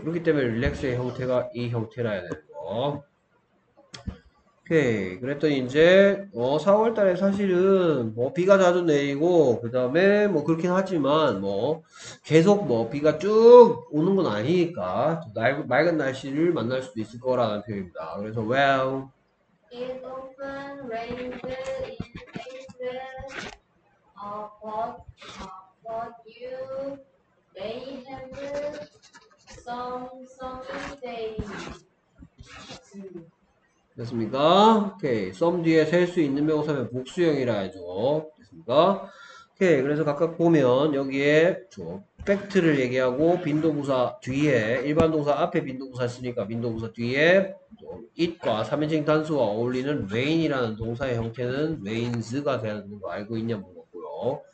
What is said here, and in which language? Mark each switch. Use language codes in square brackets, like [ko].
[ko] 그렇기 때문에 릴렉스의 형태가 이 형태라 해야 되는 거. 오케이. 그랬더니 이제 4월 달에 사실은 뭐 비가 자주 내리고 그 다음에 뭐 그렇긴 하지만 뭐 계속 뭐 비가 쭉 오는 건 아니니까 맑은 날씨를 만날 수도 있을 거라는 표현입니다. 그래서 well [en] it often rains in April but you may have some sunny days. [ko] 됐습니까? 오케이. some 뒤에 셀 수 있는 명사면 복수형이라 해야죠. 됐습니까? 오케이. 그래서 각각 보면 여기에 저 팩트를 얘기하고 빈도부사 뒤에 일반 동사 앞에 빈도부사 쓰니까 빈도부사 뒤에 it과 3인칭 단수와 어울리는 rain이라는 동사의 형태는 rains가 되는 거 알고 있냐 물었고요.